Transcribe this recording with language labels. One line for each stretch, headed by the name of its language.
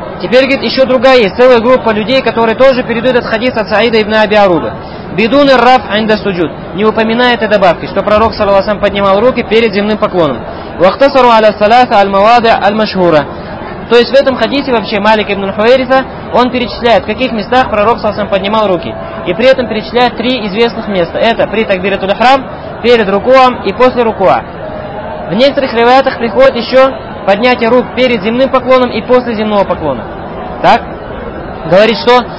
Russian: Теперь, говорит, еще другая есть, целая группа людей, которые тоже передают этот хадис от Саида ибн Аби Арубы.
Arabic: Бидун ар-раф инда суджуд.
Russian: Не упоминая этой добавки, что пророк саллаллаху алейхи ва саллям поднимал руки перед земным поклоном.
Arabic: واختصروا على الثلاثة المواضع المشهورة.
Russian: То есть в этом хадисе вообще Малик ибн Хуайриса, он перечисляет, в каких местах пророк саллаллаху алейхи ва саллям поднимал руки. И при этом перечисляет три известных места. Это при такбиратуль ихрам, перед рукуам и после рукуа. В некоторых риваятах приходит еще поднятие рук перед земным поклоном и после земного поклона. Так? Говорит, что?